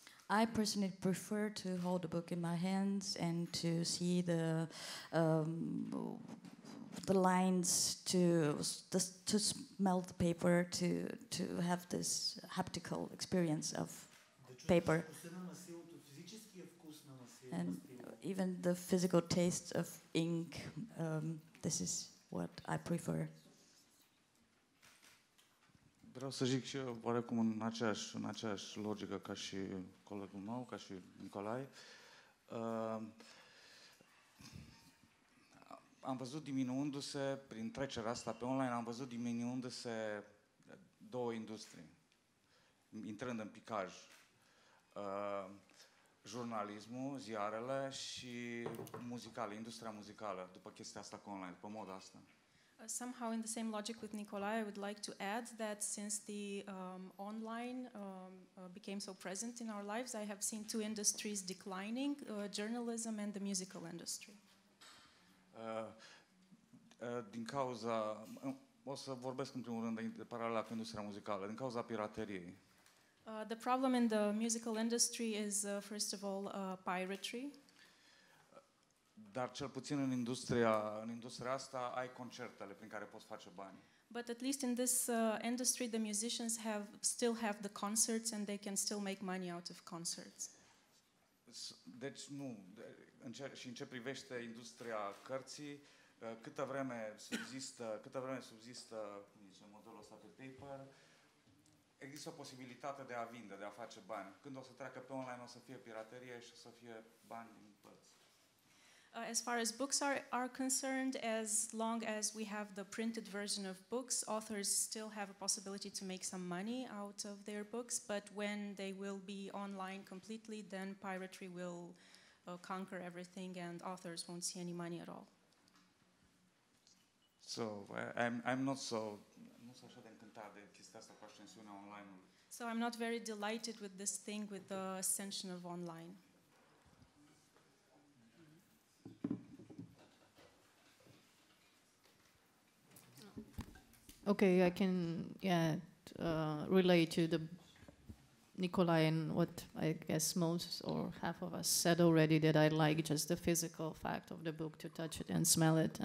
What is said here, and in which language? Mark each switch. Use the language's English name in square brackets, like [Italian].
[English] I personally prefer to hold a book in my hands and to see the lines, to smell the paper, to have this haptical experience of paper. And even the physical taste of ink, this is what I prefer. [Romanian] Vreau să zic și eu, oarecum în aceeași logică ca și colegul meu, ca și Nicolae. Am văzut diminuându-se, prin trecerea asta pe online, am văzut diminuându-se două industrii, intrând în picaj. Jurnalismul, ziarele și muzicale, industria muzicală, după chestia asta cu online, după moda asta. [English] Somehow in the same logic with Nikolai, I would like to add that since the online became so present in our lives, I have seen two industries declining, journalism and the musical industry. [Romanian] Din cauza, o să vorbesc în primul rând de paralela cu industria muzicală, din cauza pirateriei. [English] The problem in the musical industry is, first of all, piracy. [Romanian] Dar cel puțin în industria asta ai concertele prin care poți face bani. [English] But at least in this industry the musicians still have the concerts and they can still make money out of concerts. [Romanian] Deci nu, și în ce privește industria cărții, câtă vreme subzistă modelul ăsta pe paper, există o posibilitate de a vinde, de a face bani. Când o să treacă pe online, o să fie piraterie și o să fie bani din părți. [English] As far as books are concerned, as long as we have the printed version of books, authors still have a possibility to make some money out of their books, but when they will be online completely, then piracy will conquer everything and authors won't see any money at all. So I'm not so [Romanian] așa de încântat de chestia asta cu ascensiunea online. [English] So I'm not very delighted with this thing with the ascension of online. Okay, I can relate to the Nikolai and what I guess most or half of us said already, that I like just the physical fact of the book, to touch it and smell it.